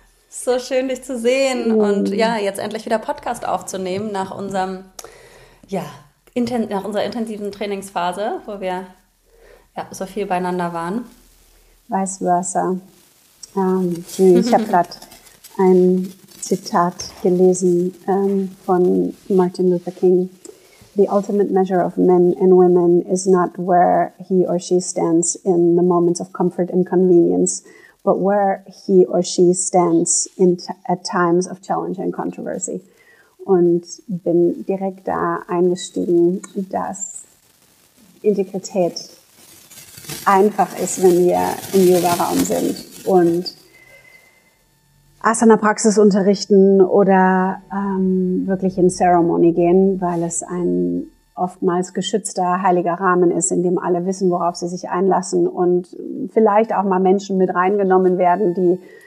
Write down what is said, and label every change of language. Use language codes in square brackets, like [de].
[de] So schön, dich zu sehen und ja, jetzt endlich wieder Podcast aufzunehmen nach unserem, ja, nach unserer intensiven Trainingsphase, wo wir ja so viel beieinander waren. Vice versa. Ich habe gerade ein Zitat gelesen von Martin Luther King. [en] The ultimate measure of men and women is not where he or she stands in the moments of comfort and convenience, but where he or she stands in at times of challenge and controversy. [de] Und bin direkt da eingestiegen, dass Integrität einfach ist, wenn wir im Yoga-Raum sind und Asana-Praxis unterrichten oder wirklich in Ceremony gehen, weil es ein oftmals geschützter, heiliger Rahmen ist, in dem alle wissen, worauf sie sich einlassen und vielleicht auch mal Menschen mit reingenommen werden, die